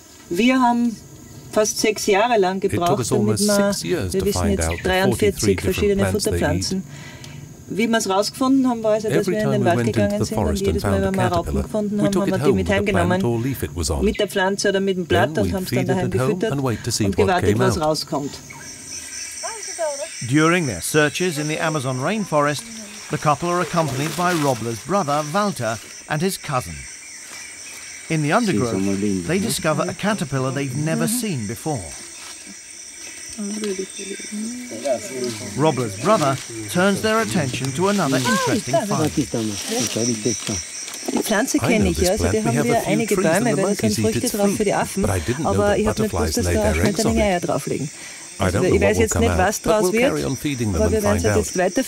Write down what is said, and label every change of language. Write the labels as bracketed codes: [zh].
[de] Wir haben fast 6 Jahre lang gebraucht, damit wir wissen jetzt 43 verschiedene Futterpflanzen. Wie wir es rausgefunden haben, war es, dass wir in den Wald gegangen sind und jedes Mal, wenn wir Raupen gefunden haben, haben wir die mit heimgenommen, mit der Pflanze oder mit dem Blatt und haben es dann daheim gefüttert und gewartet, was rauskommt. [en] During their searches in the Amazon rainforest, the couple are accompanied by Robler's brother, Walter, and his cousin. In the undergrowth, they discover a caterpillar they've never seen before. Robler's brother turns their attention to another interesting find. [de] Die Pflanze kenne ich, ja. Also die haben wir einige Bäume, weil es sind Früchte drauf für die Affen. Aber ich habe nicht gewusst, dass da Schmetterlinge Eier drauflegen. [en] I don't know what will come out, but we'll carry on feeding them and find out.